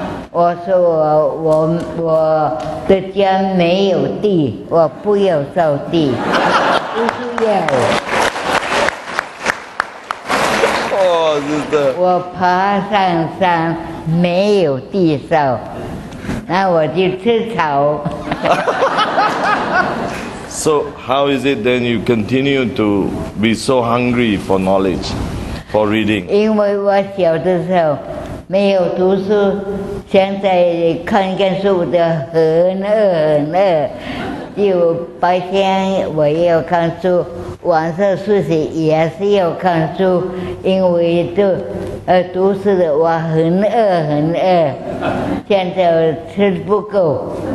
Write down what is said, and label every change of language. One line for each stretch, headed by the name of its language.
Chinese: 我说我的家没有地，我不要扫地，不需要。我爬上山没有地扫，那我就吃草。
English: So how is it then you continue to be so hungry for knowledge, for reading?
Chinese: 因为我小的时候没有读书，现在看见书的很饿很饿，就白天我要看书，晚上休息也是要看书，因为都读书的我很饿很饿，现在吃不够。